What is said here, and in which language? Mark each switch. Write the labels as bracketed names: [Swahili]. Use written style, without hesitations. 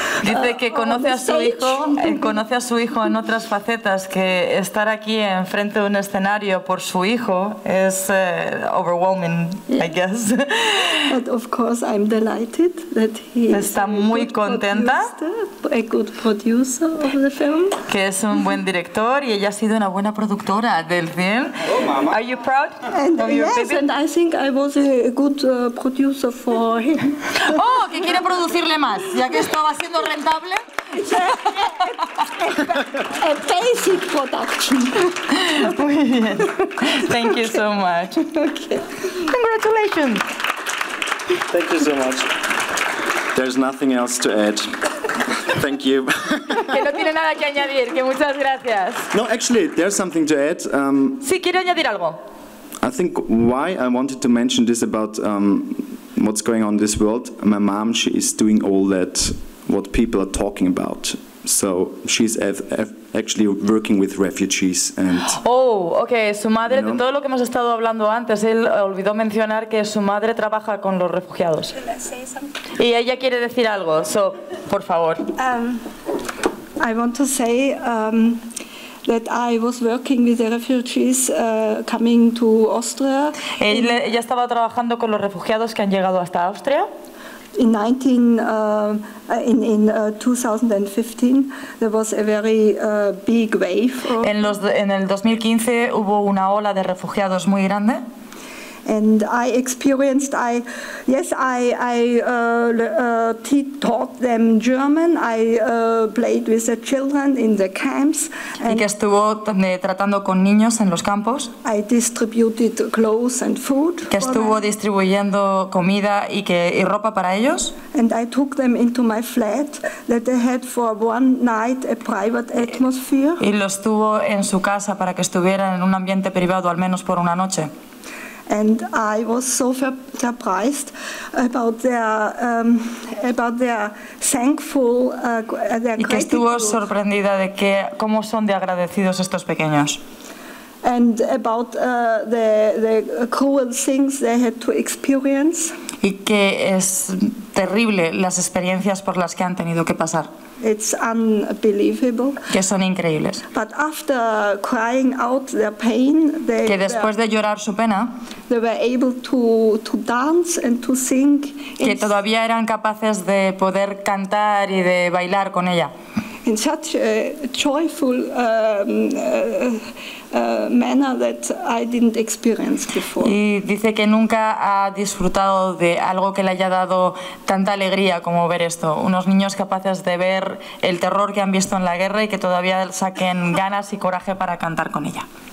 [Spanish] dice que conoce a su hijo, conoce a su hijo en otras facetas, que estar aquí en frente de un escenario por su hijo es [English] overwhelming, yeah. I guess. But of course I'm delighted that he [Spanish] está muy contenta. [English] Producer, a good producer of the film. [Spanish] Que es un buen director y ella ha sido una buena productora del film. [English] Oh, mama. Are you proud and of your yes, baby? And I think I was a good producer for him. [Spanish] Oh, que quiere producirle más, ya que estaba siendo rentable. [English] A basic production. [Spanish] Muy bien. [English] Thank you so much. Okay. Congratulations. Thank you so much. There's nothing else to add. Thank you. [Spanish] Que no tiene nada que añadir, que muchas gracias. [English] No, actually, there's something to add. [Spanish] Sí, quiero añadir algo. [English] I think why I wanted to mention this about what's going on in this world, my mom, she is doing all that, what people are talking about. So she's actually working with refugees and... [Spanish] Oh, okay, su madre, [English] you know? [Spanish] De todo lo que hemos estado hablando antes, él olvidó mencionar que su madre trabaja con los refugiados. Y ella quiere decir algo, [English] so, [Spanish] por favor. [English] I want to say that I was working with the refugees coming to Austria. [Spanish] Ella estaba trabajando con los refugiados que han llegado hasta Austria. [English] In 2015, there was a very big wave. [Spanish] En el 2015 hubo una ola de refugiados muy grande. [English] And I taught them German. I played with the children in the camps. [Spanish] Y que estuvo tratando con niños en los campos. [English] I distributed clothes and food. [Spanish] Que estuvo distribuyendo comida y ropa para ellos. [English] And I took them into my flat that they had for one night a private atmosphere. [Spanish] Y los tuvo en su casa para que estuvieran en un ambiente privado al menos por una noche. [English] And I was so surprised about their thankful. Their [Spanish] y que estuvo sorprendida de que cómo son de agradecidos estos pequeños. [English] And about the cruel things they had to experience. [Spanish] y que es terrible las experiencias por las que han tenido que pasar. [English] It's unbelievable. [Spanish] Que son increíbles. [English] But after crying out their pain, they [Spanish] que después de llorar su pena, [English] they were able to dance and to sing. [Spanish] Que todavía eran capaces de poder cantar y de bailar con ella. [English] In such a joyful manner that I didn't experience before. [Spanish] Y dice que nunca ha disfrutado de algo que le haya dado tanta alegría como ver esto. Unos niños capaces de ver el terror que han visto en la guerra y que todavía saquen ganas y coraje para cantar con ella.